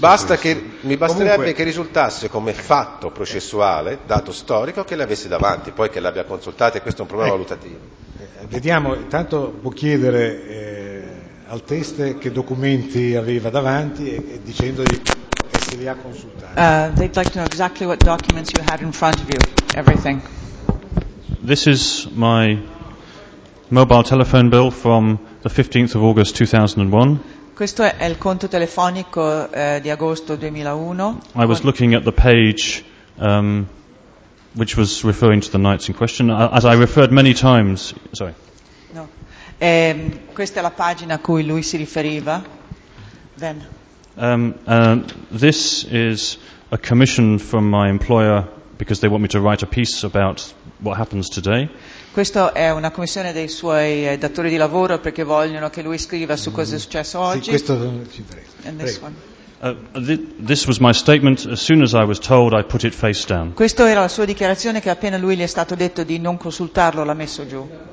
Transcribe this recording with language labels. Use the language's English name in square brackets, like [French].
[Italian] Basta che, mi basterebbe comunque... che risultasse come fatto processuale, dato storico, che le avesse davanti, poi che le abbia consultate, questo è un problema valutativo. Vediamo, intanto può chiedere al teste che documenti aveva davanti e dicendogli... [English] They'd like to know exactly what documents you had in front of you, everything. This is my mobile telephone bill from the 15th of August 2001. [Italian] Questo è il conto telefonico di agosto 2001. [English] I was looking at the page which was referring to the nights in question, as I referred many times. Sorry. No. [Italian] Questa è la pagina a cui lui si riferiva. [English] Then. This is a commission from my employer because they want me to write a piece about what happens today. [Italian] Questo è una commissione dei suoi datori di lavoro perché vogliono che lui scriva su cosa è successo oggi. Sì, questo ci interessa. [English] And this [Italian] Prego. [English] One. This was my statement. As soon as I was told, I put it face down. [Italian] Questo era la sua dichiarazione che appena lui gli è stato detto di non consultarlo l'ha messo giù.